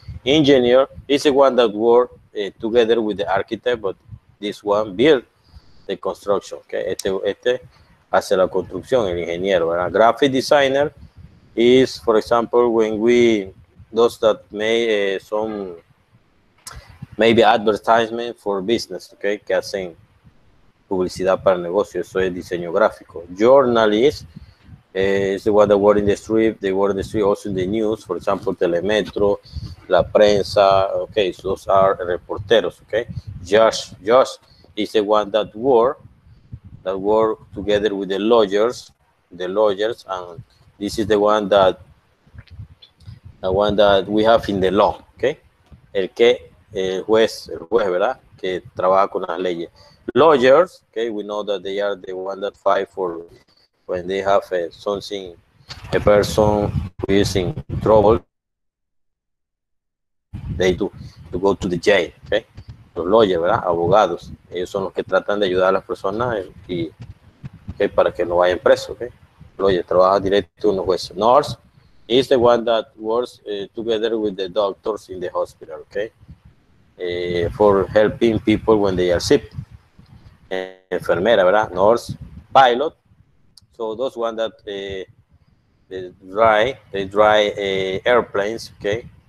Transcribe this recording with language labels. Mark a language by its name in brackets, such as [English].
[English] Engineer is the one that work together with the architect, but this one build the construction, okay? [Spanish] Este hace la construcción, el ingeniero, ¿verdad? [English] Graphic designer is, for example, when we, those that make some, maybe advertisement for business, okay? [Spanish] Que hacen publicidad para negocios, eso es diseño gráfico. [English] Journalist is the one that work in the street, they work in the street, also in the news, for example, Telemetro, la prensa, okay, so those are reporteros, okay. Josh is the one that work together with the lawyers, and this is the one that we have in the law, okay. [Spanish] El juez, ¿verdad? Que trabaja con las leyes. [English] Lawyers, okay, we know that they are the one that fight for when they have something, a person who is in trouble. They do to go to the jail, okay? [Spanish] Los lawyers, ¿verdad? Abogados. Ellos son los que tratan de ayudar a las personas y okay, para que no vayan presos, okay? Lawyers trabaja directo con los jueces. [English] Nurse is the one that works together with the doctors in the hospital, okay? For helping people when they are sick. [Spanish] Enfermera, ¿verdad? [English] Nurse, pilot. So those one that they drive airplanes, okay?